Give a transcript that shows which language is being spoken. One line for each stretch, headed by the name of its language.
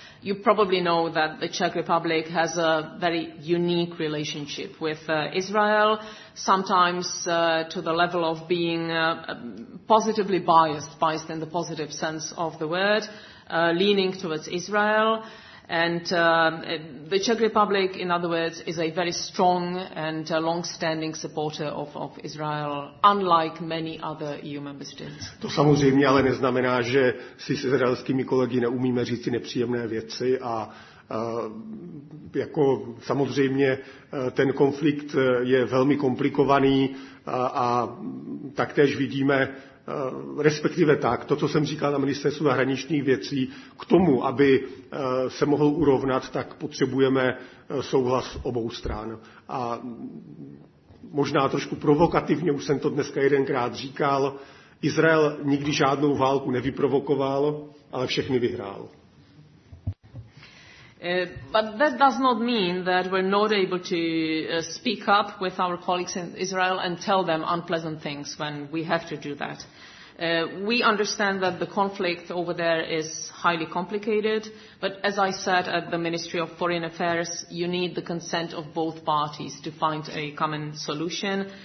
English: You probably know that the Czech Republic has a very unique relationship with Israel, sometimes to the level of being positively biased in the positive sense of the word, leaning towards Israel. And the Czech Republic, in other words, is a very strong and long-standing supporter of Israel, unlike many other EU member states.
Czech: To samozřejmě ale neznamená, že si s izraelskými kolegy neumíme říct nepříjemné věci a jako samozřejmě ten konflikt je velmi komplikovaný a taktéž vidíme, respektive tak, to, co jsem říkal na ministerstvu zahraničních věcí, k tomu, aby se mohl urovnat, tak potřebujeme souhlas obou stran. A možná trošku provokativně, už jsem to dneska jedenkrát říkal, Izrael nikdy žádnou válku nevyprovokoval, ale všechny vyhrál.
English: But that does not mean that we're not able to speak up with our colleagues in Israel and tell them unpleasant things when we have to do that. We understand that the conflict over there is highly complicated, but as I said at the Ministry of Foreign Affairs, you need the consent of both parties to find a common solution.